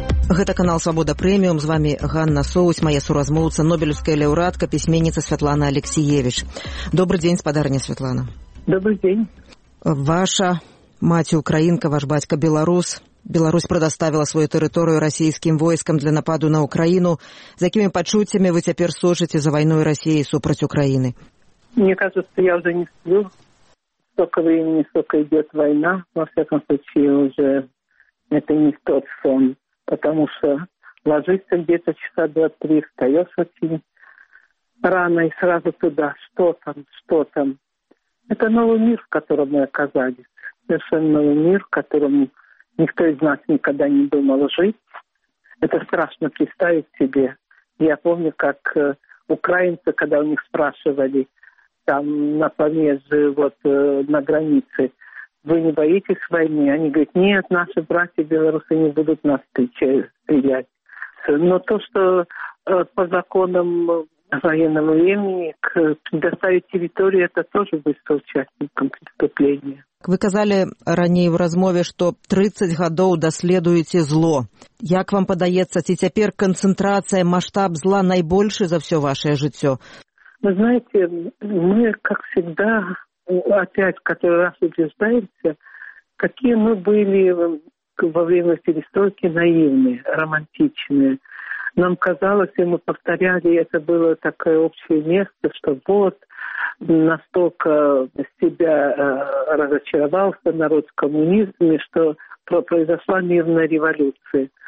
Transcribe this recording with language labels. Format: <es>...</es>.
<be>Гэта канал «Свабода прэміум», з вамі Ганна Соусь, мая суразмоўца, нобелеўская лаўрэатка, пісьменніца Святлана Алексіевіч. Добры дзень, спадарня Святлана. Добры дзень. Ваша маці украінка, ваш бацька беларус. Беларусь прадаставіла сваю тэрыторыю расійскім войскам для нападу на Украіну. З якімі пачуццямі вы цяпер сочыце за вайной Расіі супраць Украіны?</be> <ru>Мне кажется, я уже не сплю. Столько времени, сколько идет война. Во всяком случае, уже это не тот сон. Потому что ложишься где-то часа 2-3, встаешь очень рано и сразу туда. Что там? Что там? Это новый мир, в котором мы оказались. Совершенно новый мир, в котором никто из нас никогда не думал жить. Это страшно представить себе. Я помню, как украинцы, когда у них спрашивали, там на Помежье, вот на границе, вы не боитесь войны? Они говорят, нет, наши братья белорусы не будут нас стрелять. Но то, что по законам военного времени предоставить территорию, это тоже будет соучастником преступления.</ru> <be>Вы казалі раней в размове, что 30 гадоў даследуеце зло. Як вам падаецца, ці цяпер канцэнтрацыя, масштаб зла найбольшы за все ваше жыццё?</be> <ru>Вы знаете, мы, как всегда, опять в который раз убеждаемся, какие мы были во время перестройки наивные, романтичные. Нам казалось, и мы повторяли, это было такое общее место, что вот настолько себя разочаровался народ в коммунизме, что произошла мирная революция.</ru>